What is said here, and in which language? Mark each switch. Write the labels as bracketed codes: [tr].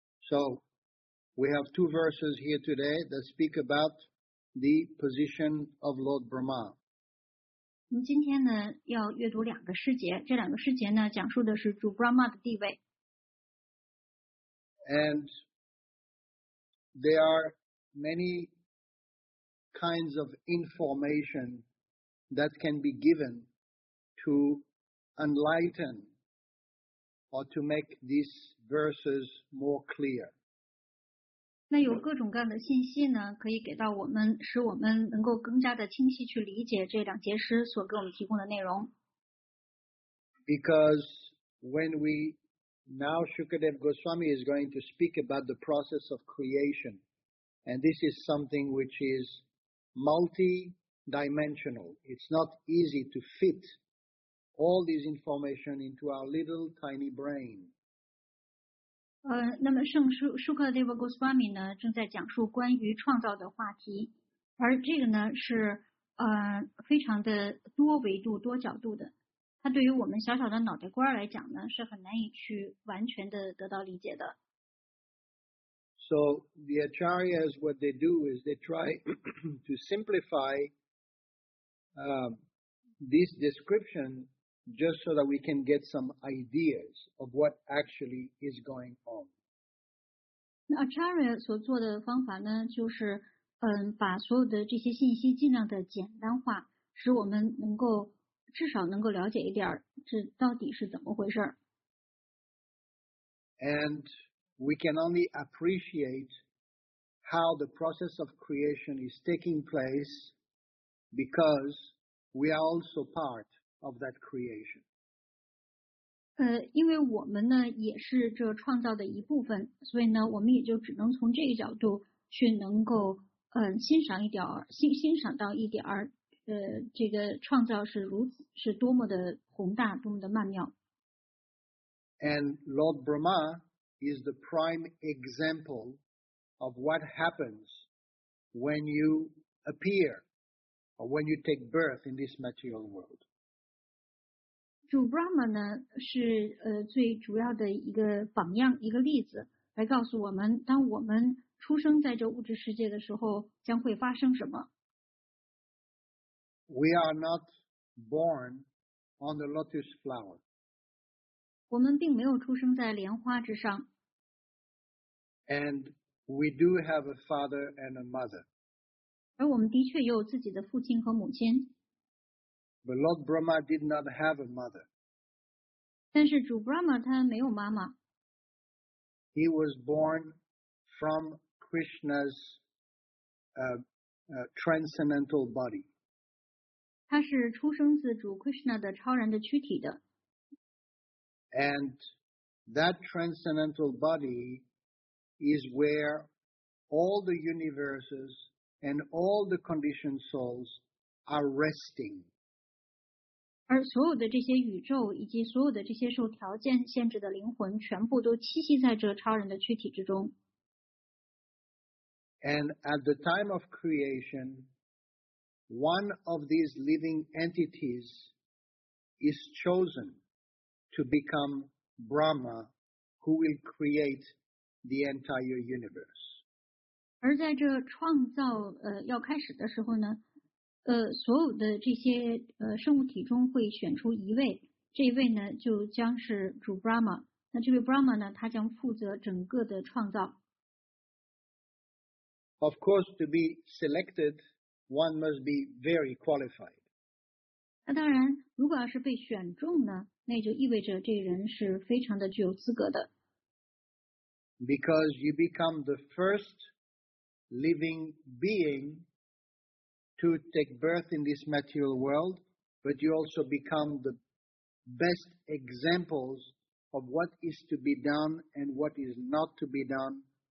[en] So, we have two verses here today that speak about the position of Lord Brahma. [zh] 我们今天呢要阅读两个世节，这两个世节呢讲述的是主 Brahma 的地位。 [en] And there are many kinds of information that can be given to enlighten or to make these verses more clear. [zh] 那有各种各样的信息呢，可以给到我们，使我们能够更加的清晰去理解这两节诗所给我们提供的内容。 [en] Because when we now Shukadev Goswami is going to speak about the process of creation, and this is something which is multi-dimensional. It's not easy to fit all these information into our little tiny brain. [zh] 那么圣舒克德瓦戈斯瓦米呢正在讲述关于创造的话题，而这个呢是非常的多维度多角度的，它对于我们小小的脑袋瓜来讲呢是很难以去完全的得到理解的。 [en] So the acharyas, what they do is they try to simplify this description just so that we can get some ideas of what actually is going on. [zh] Acharya 所做的方法呢，就是把所有的这些信息尽量的简单化，使我们能够至少能够了解一点这到底是怎么回事。 [en] And we can only appreciate how the process of creation is taking place because we are also part of that creation. [zh] 因为我们呢也是这创造的一部分，所以呢我们也就只能从这个角度去能够欣赏到一点儿这个创造是如此是多么的宏大，多么的曼妙。 [en] And Lord Brahma is the prime example of what happens when you appear or when you take birth in this material world. [zh] 主 Brahma 呢是最主要的一个榜样，一个例子，来告诉我们当我们出生在这物质世界的时候将会发生什么。 [en] We are not born on the lotus flower. [zh] 我们并没有出生在莲花之上。 [en] And we do have a father and a mother. [zh] 而我们的确有自己的父亲和母亲。 [en] But Lord Brahma did not have a mother. [zh] 但是主 Brahma 他没有妈妈。 [en] He was born from Krishna's transcendental body. [zh] 他是出生自主 Krishna 的超然的躯体的。 [en] And that transcendental body is where all the universes and all the conditioned souls are resting. [zh] 而所有的这些宇宙以及所有的这些受条件限制的灵魂全部都栖息在这超人的躯体之中。 [en] And at the time of creation, one of these living entities is chosen to become Brahma, who will create the entire universe. [zh] 而在这创造要开始的时候呢，所有的这些生物体中会选出一位，这一位呢就将是主 Brahma。那这位 Brahma 呢，他将负责整个的创造。 [en] Of course, to be selected, one must be very qualified. [zh] 那当然，如果要是被选中呢，那就意味着这人是非常的具有资格的。 [en] Because you become the first living being to take birth in this material world, but you also become the best examples of what is to be done and what is not to be done.